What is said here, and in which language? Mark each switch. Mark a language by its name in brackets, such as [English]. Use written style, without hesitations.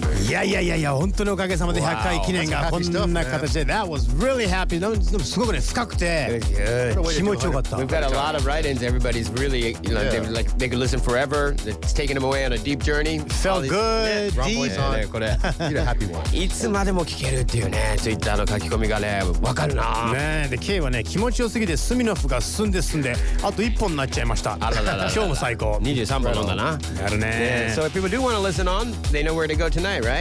[Japanese] やいやいやいや、本当におかげさまで100回記念がこんな形で、 [English] That was really happy。 [Japanese] でもすごくね、深くて気持ちよかった。 [English] We've got a lot of write-ins. Everybody's really, you know, they like they could listen forever. It's taking them away on a deep journey. Felt good. Deep. [Japanese] これ、 [English] happy one。 [Japanese] いつまでも聞けるっていうね、Twitter の書き込みがね、わかるな。ねえ、で K はね、気持ちよすぎてスミノフが進んで進んで、あと1本になっちゃいました。あららら。今日も最高。 23本飲んだな。やるね。 [English] So if people do want to listen on, they know where to go tonight, right?